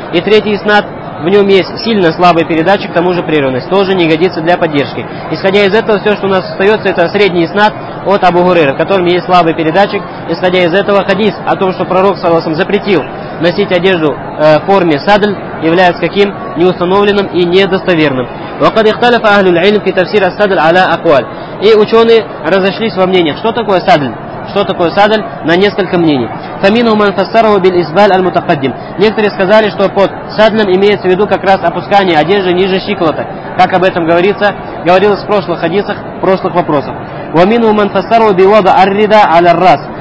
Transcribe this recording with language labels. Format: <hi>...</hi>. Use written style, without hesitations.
<ru>И третий иснад, в нем есть сильно слабый передатчик, к тому же прерванность. Тоже не годится для поддержки. Исходя из этого, все, что у нас остается, это средний иснад от Абу Хурайры, в котором есть слабый передатчик. Исходя из этого, хадис о том, что пророк саллаллаху алейхи ва саллям запретил носить одежду в форме садль, является каким? Неустановленным и недостоверным.</ru> <ar>وقد اختلف أهل العلم في تفسير السدل على أقوال.</ar> <ru>И ученые разошлись во мнениях. Что такое садль? Что такое садль? На несколько мнений.</ru> <ar>فمنهم من فسره بالإسبال المتقدم.</ar> <ru>Некоторые сказали, что под садлем имеется в виду как раз опускание одежды ниже щиколоток. Как об этом говорится? Говорилось в прошлых хадисах, в прошлых вопросах.</ru> <ar>ومنهم من فسره بوضع الرداء على الرأس.</ar>